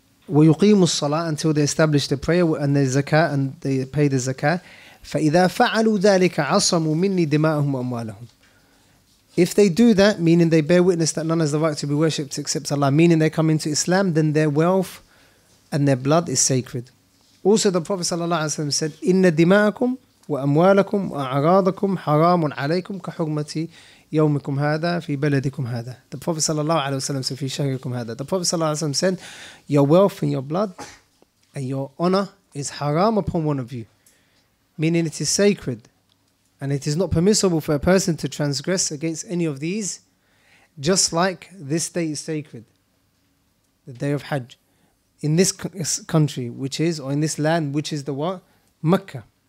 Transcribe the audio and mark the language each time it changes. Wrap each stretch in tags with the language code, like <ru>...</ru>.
<en>وَيُقِيمُ الصَّلَاةِ until they establish the prayer and the zakah and they pay the zakah.</en> <ar>فَإِذَا فَعَلُوا ذَلِكَ عَصَمُوا مِنِّي دِمَاءَهُمْ وَأَمْوَالَهُمْ.</ar> <en>If they do that, meaning they bear witness that none has the right to be worshipped except Allah, meaning they come into Islam, then their wealth and their blood is sacred.</en> <ar>Also the Prophet sallallahu alaihi wasallam said, إِنَّ دِمَاءَكُمْ وَأَمْوَالَكُمْ وَأَعْرَاضَكُمْ حَرَامٌ عَلَيْكُمْ كَحُرْمَةِ يَوْمِكُمْ هَذَا فِي بَلَدِكُمْ هَذَا.</ar> <en>The Prophet sallallahu alaihi wasallam said, فِي شَهْرِكُمْ هَذَا. The Prophet sallallahu alaihi wasallam said, your wealth and your blood and your honor is haram upon one of you, meaning it is sacred and it is not permissible for a person to transgress against any of these, just like this day is sacred, the day of Hajj, in this country, which is, or in this land, which is the what? Mecca.</en>